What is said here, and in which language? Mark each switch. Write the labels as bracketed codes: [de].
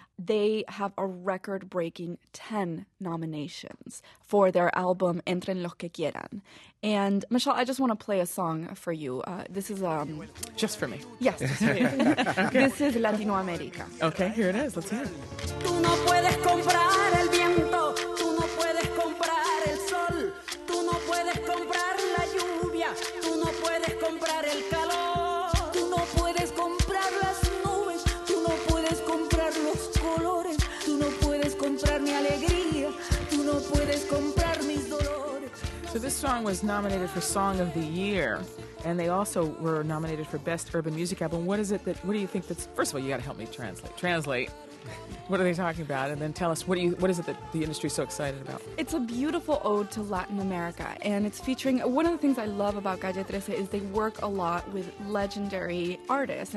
[en] They have a record-breaking 10 nominations for their album Entren Los Que Quieran. And, Michelle, I just want to play a song for you. This is... Just for me. Yes, just for you. Okay. This is Latino America. Okay, here it is. Let's hear it. [es] Tú no puedes comprar el viento. Tú no puedes comprar el sol. Comprar la lluvia, tú no puedes comprar el calor, tú no puedes comprar las nubes, tú no puedes comprar los colores, tú no puedes comprar mi alegría, tú no puedes comprar mis dolores. [en] So this song was nominated for Song of the Year. And they also were nominated for Best Urban Music Album. What is it that, what do you think that's, first of all, you got to help me translate. Translate. What are they talking about? And then tell us, what is it that the industry is so excited about? It's a beautiful ode to Latin America. And it's featuring, one of the things I love about Calle 13 is they work a lot with legendary artists.